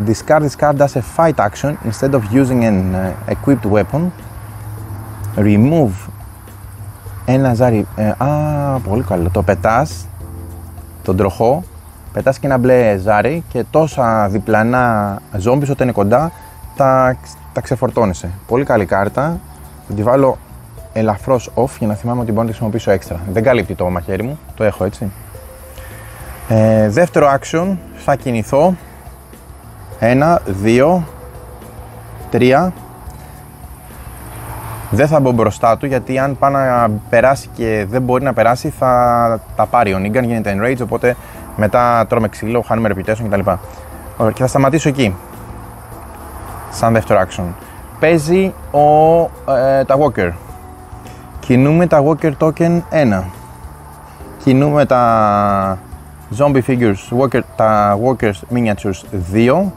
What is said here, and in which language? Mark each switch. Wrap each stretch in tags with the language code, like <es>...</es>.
<en>Discard this card as a fight action instead of using an equipped weapon. Remove</en> <el>ένα ζάρι. Πολύ καλό. Το πετάς, τον τροχό, πετάς και ένα μπλε ζάρι και τόσα διπλανά ζόμπις όταν είναι κοντά τα ξεφορτώνεσαι. Πολύ καλή κάρτα. Θα τη βάλω ελαφρώς off για να θυμάμαι ότι μπορώ να τη χρησιμοποιήσω έξτρα. Δεν καλύπτει το μαχαίρι μου. Το έχω έτσι. Δεύτερο action. Θα κινηθώ. 1, 2, 3. Δεν θα μπω μπροστά του γιατί αν πάει να περάσει και δεν μπορεί να περάσει θα τα πάρει ο Νίγκαν, γίνεται enrage, οπότε μετά τρώμε ξύλο, χάνουμε reputation κτλ. Και θα σταματήσω εκεί. Σαν δεύτερο action. Παίζει τα Walker. Κινούμε τα Walker Token 1. Κινούμε τα Zombie Figures, Walker, τα Walker Miniatures 2.</el>